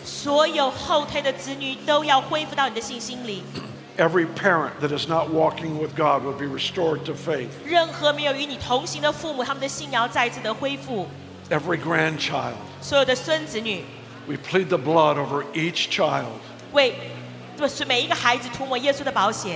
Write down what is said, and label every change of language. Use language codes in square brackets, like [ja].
[zh] 所有后退的子女都要恢复到你的信心里。 [en] Every parent that is not walking with God will be restored to faith. [zh] 任何没有与你同行的父母，他们的信仰要再次的恢复。 [en] Every grandchild. [zh] 所有的孙子女。 [en] We plead the blood over each child. [zh] 为每一个孩子涂抹耶稣的宝血。